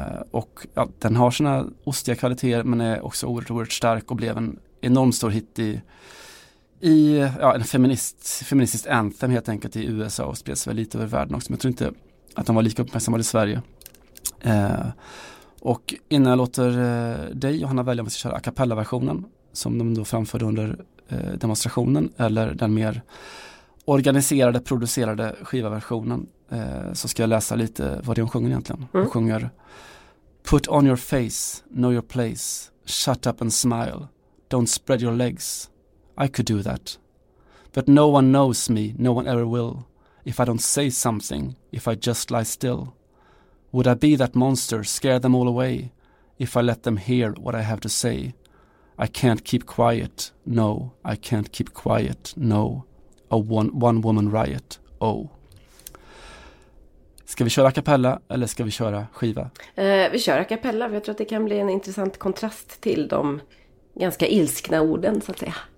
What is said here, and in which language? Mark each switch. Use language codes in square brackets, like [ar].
[sv] Och ja, den har sina ostiga kvaliteter men är också oerhört, oerhört stark och blev en enorm stor hit i en feministisk anthem helt enkelt i USA och spreds väl lite över världen också, men jag tror inte att de var lika uppmärksammade i Sverige. Och innan jag låter dig och Hanna välja om vi ska köra a cappella-versionen som de då framförde under demonstrationen eller den mer organiserade, producerade skivaversionen, så ska jag läsa lite vad det är hon sjunger egentligen. Mm. Hon sjunger [en] "Put on your face, know your place, shut up and smile, don't spread your legs. I could do that. But no one knows me, no one ever will. If I don't say something, if I just lie still. Would I be that monster, scare them all away? If I let them hear what I have to say. I can't keep quiet, no, I can't keep quiet, no. A one woman riot, oh." [sv] Ska vi köra a cappella eller ska vi köra skiva? Vi kör a cappella, för jag tror att det kan bli en intressant kontrast till de ganska ilskna orden, så att säga.